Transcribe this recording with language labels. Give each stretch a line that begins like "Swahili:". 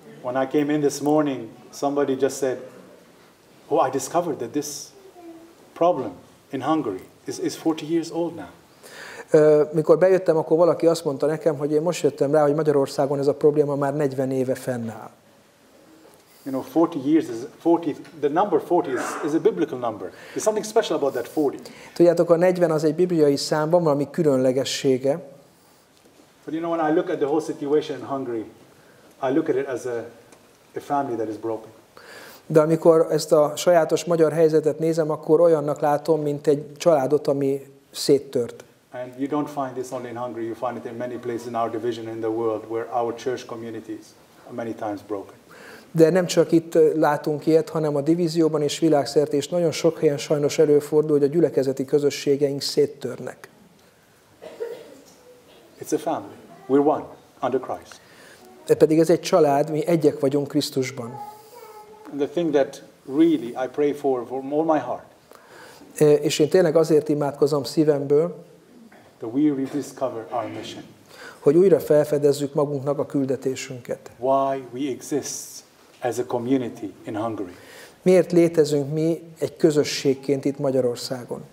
English: When I came in this morning, somebody just said, "Oh, I discovered that this problem in Hungary is 40 years old now."
Hungarian: Mikor bejöttem, akkor valaki azt mondta nekem, hogy én most jöttem rá, hogy Magyarországon ez a probléma már 40 éve fennáll.
English: You know, 40 years is 40. The number 40 is a biblical number. There's something special about that 40.
Hungarian: Tudjátok, a 40 az egy bibliai szám, van valami különlegessége.
English: But you know, when I look at the whole situation in Hungary, I look at it as a family that is broken.
Hungarian: De amikor ezt a sajátos magyar helyzetet nézem, akkor olyannak látom, mint egy családot, ami széttört.
English: And you don't find this only in Hungary, you find it in many places in our division in the world where our church communities are many times broken.
Hungarian: De nem csak itt látunk ilyet, hanem a divízióban és világszerte is nagyon sok helyen sajnos előfordul, hogy a gyülekezeti közösségeink széttörnek.
English: It's a family. We're one under Christ.
Hungarian: De pedig ez egy család, mi egyek vagyunk Krisztusban.
English: And the thing that really I pray for all my heart.
Hungarian: És én tényleg azért imádkozom szívemből,
English: that we rediscover our mission.
Hungarian: Hogy újra felfedezzük magunknak a küldetésünket.
English: Why we exist as a community in Hungary.
Hungarian: Miért létezünk mi egy közösségként itt Magyarországon?